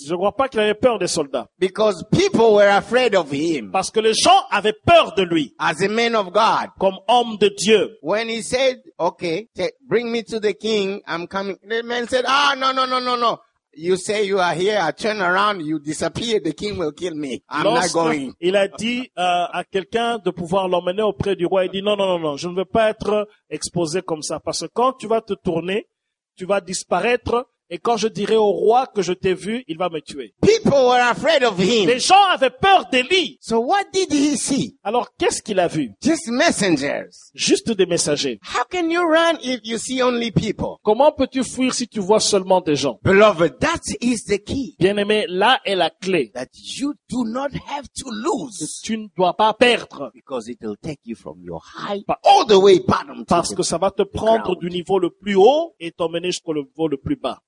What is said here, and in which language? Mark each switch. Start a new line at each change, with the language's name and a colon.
French: Je ne crois pas qu'il avait peur des soldats.
English: Because people were afraid of him.
French: Parce que les gens avaient peur de lui.
English: As a man of God.
French: Comme homme de Dieu.
English: When he said, okay, bring me to the king, I'm coming. The man said, no. You say you are here, I turn around, you disappear, the king will kill me. I'm not going.
French: Il a dit à quelqu'un de pouvoir l'emmener auprès du roi. Il dit non, je ne veux pas être exposé comme ça. Parce que quand tu vas te tourner, tu vas disparaître Et quand je dirai au roi que je t'ai vu, il va me tuer.
English: People were afraid of him.
French: Les gens avaient peur d'Élie.
English: So what did he see?
French: Alors qu'est-ce qu'il a vu?
English: Just messengers.
French: Juste des messagers.
English: How can you run if you see only people?
French: Comment peux-tu fuir si tu vois seulement des gens?
English: Beloved, that is the key.
French: Bien-aimé, là est la clé.
English: That you do not have to lose.
French: Que tu ne dois pas perdre.
English: Because it will take you from your high all the way bottom.
French: Parce que ça va te prendre du niveau le plus haut et t'emmener jusqu'au niveau le plus bas.